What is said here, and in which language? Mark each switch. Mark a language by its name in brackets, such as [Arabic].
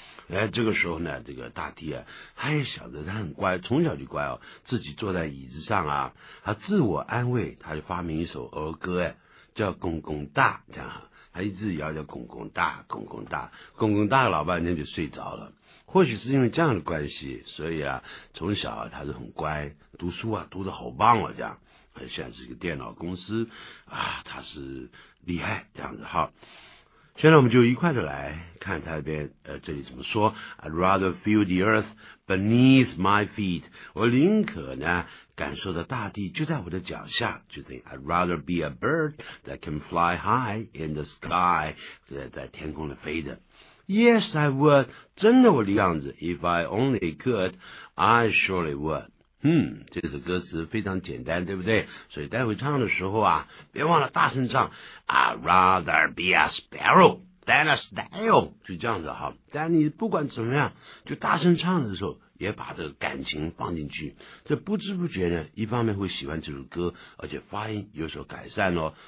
[Chinese] 哎，这个时候呢，这个大弟啊，他也晓得他很乖，从小就乖哦，自己坐在椅子上啊，他自我安慰，他就发明一首儿歌哎，叫《公公大》这样，他一直摇叫公公大，公公大，公公大，老半天就睡着了。或许是因为这样的关系，所以啊，从小啊，他是很乖，读书啊，读得好棒哦，这样，现在是一个电脑公司啊，他是厉害这样子哈。现在我们就一块的来看他那边这里怎么说。 [English] I'd rather feel the earth beneath my feet. [Chinese] 我宁可呢感受到大地就在我的脚下。 [English] 就 think I'd rather be a bird that can fly high in the sky. [Chinese] 在天空里飞的。 Yes, I would. 真的我的样子。 [English] If I only could, I surely would. [Chinese] 这首歌词非常简单，对不对？所以待会唱的时候啊，别忘了大声唱 I'd rather be a sparrow than a snail，就这样子哈。但你不管怎么样，就大声唱的时候也把这个感情放进去，这不知不觉呢，一方面会喜欢这首歌，而且发音有所改善哦。